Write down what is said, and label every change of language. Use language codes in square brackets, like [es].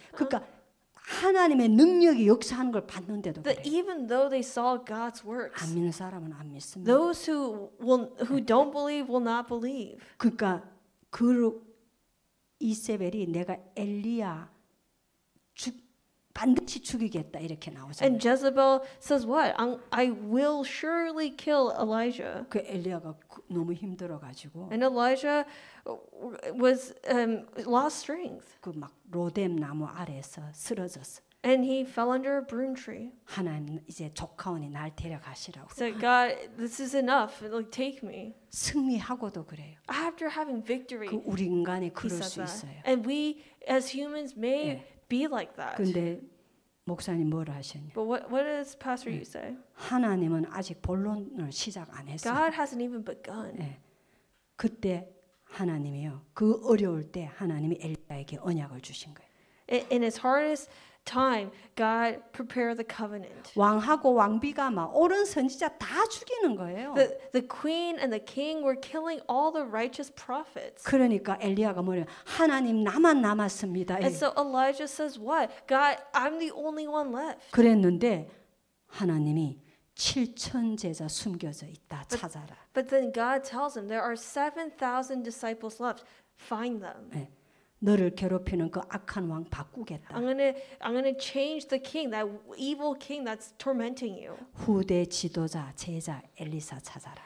[ko] 그러니까 하나님의 능력이 역사하는 걸 봤는데도 그래. [en] Even though they saw God's works. [ko] 안 믿는 사람은 안 믿습니다. [en] Those who don't believe will not believe. [ko] 그러니까 그 이세벨이 내가 엘리야 반드시 죽이겠다 이렇게 나오잖아요. [en] And Jezebel says what? I will surely kill Elijah. [ko] 그 엘리야가 너무 힘들어 가지고. [en] And Elijah was lost strength. [ko] 그 막 로뎀 나무 아래서 쓰러졌어. [en] And he fell under a broom tree. [ko] 하나님 이제 조카원이 날 데려가시라고. [en] So God, this is enough. Like take me. [ko] 승리하고도 그래요. [en] After having victory. [ko] 그 우리 인간이 그럴 수 있어요. [en] And we as humans may 네. be like that. [ko] 근데 목사님 뭐라 하셨냐? [en] But what does pastor 네. you say? [ko] 하나님은 아직 본론을 시작 안 했어요. [en] God hasn't even begun. [ko] 예. 네. 그때 하나님이요. 그 어려울 때 하나님이 엘리야에게 언약을 주신 거예요. [en] In his hardest time, God prepared the covenant. [ko] 왕하고 왕비가 막 옳은 선지자 다 죽이는 거예요. [en] The queen and the king were killing all the righteous prophets. [ko] 그러니까 엘리야가 뭐래요? 하나님 나만 남았습니다. [en] And so Elijah says, "What? God, I'm the only one left." [ko] 그랬는데 하나님이 7천 제자 숨겨져 있다 찾아라. [en] But then God tells him, "There are 7,000 disciples left. Find them." [ko] 네. 너를 괴롭히는 그 악한 왕 바꾸겠다. [en] I'm gonna change the king, that evil king that's tormenting you. [ko] 후대 지도자 제자 엘리사 찾아라.